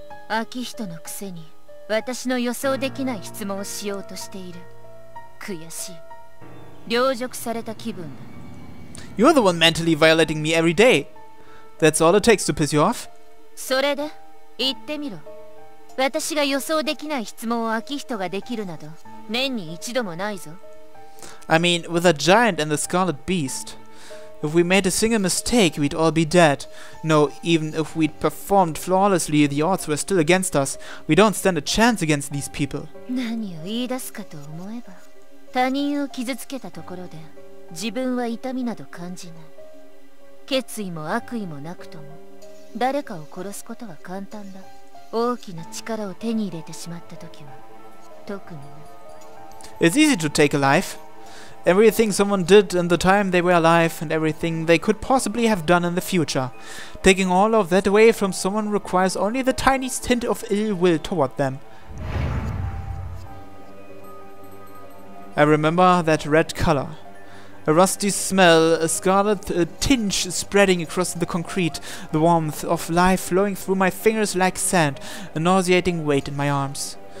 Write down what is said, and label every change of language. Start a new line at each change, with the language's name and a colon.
English: You're the one mentally violating me every day. That's all it takes to piss you off?
Japanese: それで、言ってみろ。私が予想できない質問を秋人ができるなど、年に一度もないぞ。
English: I mean, with a giant and the scarlet beast, if we made a single mistake, we'd all be dead. No, even if we'd performed flawlessly, the odds were still against us. We don't stand a chance against these people.
Japanese: 何を言い出すかと思えば、他人を傷つけたところで、自分は痛みなど感じない。決意も悪意もなくとも、誰かを殺すことは簡単だ。大きな力を手に入れてしまったときは、特にね。
English: It's easy to take a life. Everything someone did in the time they were alive and everything they could possibly have done in the future. Taking all of that away from someone requires only the tiniest hint of ill will toward them. I remember that red color. A rusty smell, a scarlet tinge spreading across the concrete, the warmth of life flowing through my fingers like sand, a nauseating weight in my arms.